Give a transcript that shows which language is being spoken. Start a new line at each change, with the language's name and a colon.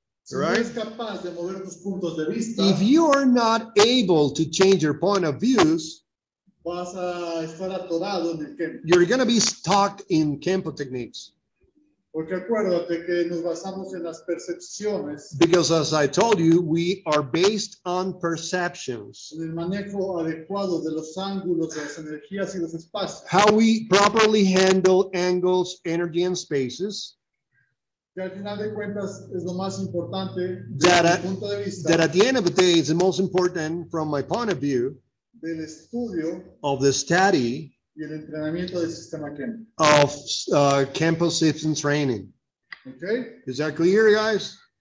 Spanish: Si right? No eres capaz de mover tus puntos de vista,
English: if you are not able to change your point of views,
Spanish: vas a estar atorado en el campo.
English: You're going to be stuck in campo techniques.
Spanish: Porque acuérdate que nos basamos en las percepciones.
English: Because as I told you, we are based on perceptions.
Spanish: En el manejo adecuado de los ángulos, de las energías y los espacios.
English: How we properly handle angles, energy, and spaces.
Spanish: Que al final de cuentas es lo más importante desde mi punto de vista.
English: That at the end of the day is the most important from my point of view.
Spanish: Del estudio.
English: Of the study.
Spanish: Y el entrenamiento del sistema Kemp.
English: Of Kempo system training. Okay. Is that clear, guys?